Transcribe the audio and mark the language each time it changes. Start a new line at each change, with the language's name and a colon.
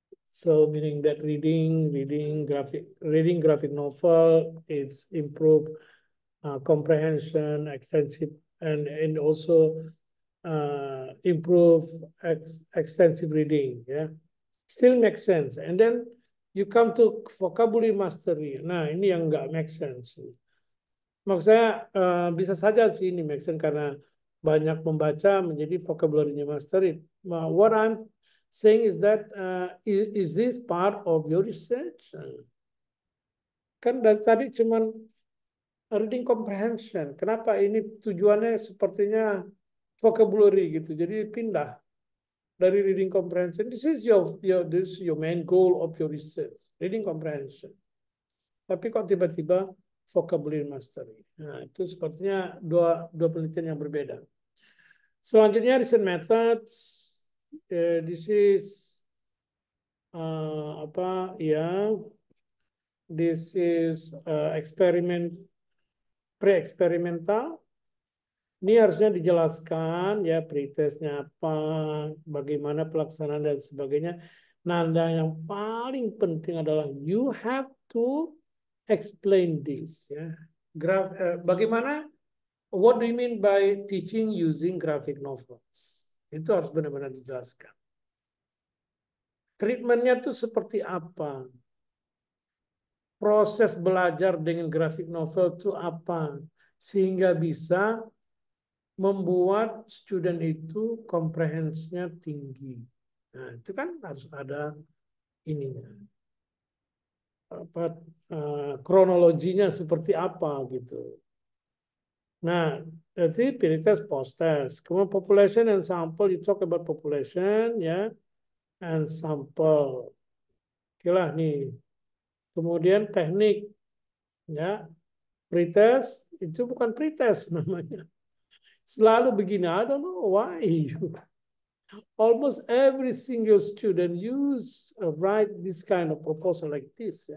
English: So meaning that reading graphic novel, it's improved comprehension, extensive, and also improve extensive reading, yeah. Still makes sense. And then you come to vocabulary mastery.
Indonesian: Nah, ini yang nggak
English: make sense.
Indonesian: Maksud saya bisa saja sih ini make sense karena banyak membaca menjadi vocabulary-nya mastery.
English: What I'm saying is that is this part of your research?
Indonesian: Kan dari tadi cuma reading comprehension. Kenapa ini tujuannya sepertinya vocabulary gitu? Jadi pindah.
English: Dari reading comprehension, this is your main goal of your research, reading comprehension.
Indonesian: Tapi kok tiba-tiba vocabulary mastery? Nah, itu sepertinya dua penelitian yang berbeda. Selanjutnya recent methods, experiment pre-experimental. Ini harusnya dijelaskan ya pretestnya apa, bagaimana pelaksanaan dan sebagainya. Nah, yang paling penting adalah
English: you have to explain this
Indonesian: ya. Bagaimana?
English: What do you mean by teaching using graphic novels?
Indonesian: Itu harus benar-benar dijelaskan. Treatmentnya tuh seperti apa? Proses belajar dengan graphic novel tuh apa sehingga bisa membuat student itu komprehensinya tinggi. Nah, itu kan harus ada ininya. Apa kronologinya seperti apa gitu. Nah, jadi pilih tes post-test.
English: Kemudian population and sample, you talk about population, ya, yeah, and sample.
Indonesian: Oke lah nih. Kemudian teknik, ya, yeah. Pretest itu bukan pretest namanya. Selalu begini,
English: I don't know why. Almost every single student use write this kind of proposal like this, ya.